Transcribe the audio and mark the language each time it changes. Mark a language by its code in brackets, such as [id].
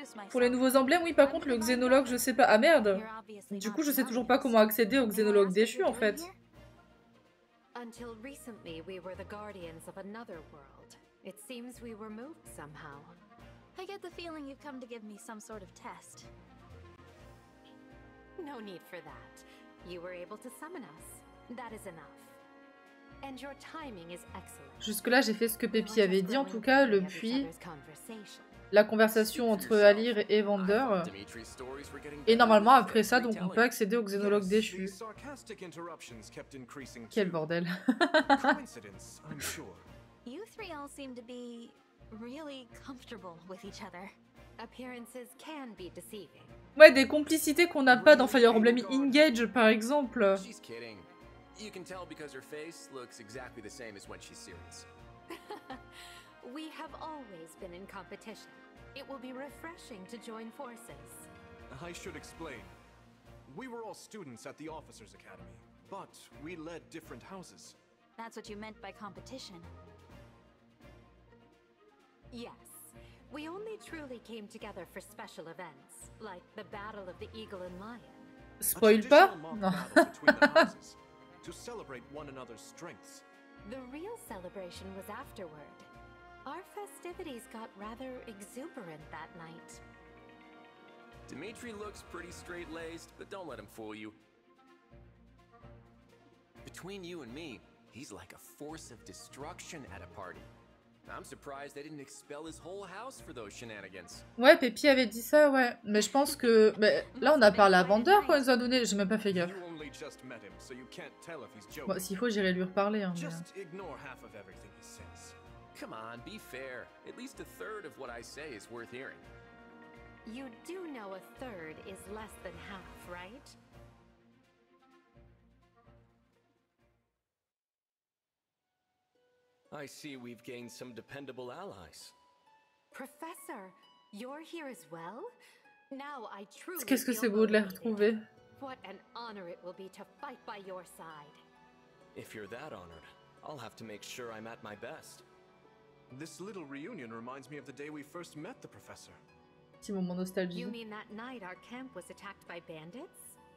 [fr] Pour les nouveaux emblèmes, oui, par contre, le xénologue, je sais pas. Ah merde! Du coup, je sais toujours pas comment accéder au xénologue déchu, en fait. [en] Until recently, we were the guardians of another world. It seems we were moved somehow. I get the feeling you've come to give me some sort of test. No need for that. You were able to summon us. That is enough. And your timing is excellent. [fr] Jusque-là, j'ai fait ce que Pépi avait dit, en tout cas, le puits, la conversation entre Alear et Vendeur. Et normalement, après ça, donc, on peut accéder au xénologue déchu. Quel bordel. [en] You three all seem to be... really comfortable with each other. Appearances can be deceiving. [fr] Ouais, des complicités qu'on n'a pas dans Fire Emblem Engage, par exemple. [en] She's kidding. You can tell because her face looks exactly the same as when she's serious. We have always been in competition. It will be refreshing to join forces. I should explain. We were all students at the Officers Academy, but we led different houses. That's what you meant by competition. Yes, we only truly came together for special events, like the Battle of the Eagle and Lion. [fr] Spoil pas? Non. [en] Between the houses, to celebrate one another's strengths. The real celebration was afterward. Our festivities got rather exuberant that night. Dimitri looks pretty straight-laced, but don't let him fool you. Between you and me, he's like a force of destruction at a party. I'm surprised they didn't expel his whole house for those shenanigans. [fr] Ouais, Pépi avait dit ça, ouais. Mais je pense que... Mais là, on a parlé à Vendeur, quoi, nous a donné. J'ai même pas fait gaffe. Him, so bon, s'il faut, j'irai lui reparler, hein. [en] Just ignore half of everything he says. Come on, be fair. At least a third of what I say is worth hearing. You do know a third is less than half, right? I see we've gained some dependable allies. Professor, you're here as well? Now I truly feel Qu'est-ce que c'est beau de les retrouver. What an honor it will be to fight by your side. If you're that honored, I'll have to make sure I'm at my best. This little reunion reminds me of the day we first met the professor. [fr] Petit moment nostalgie. [en] You mean that night our camp was attacked by bandits?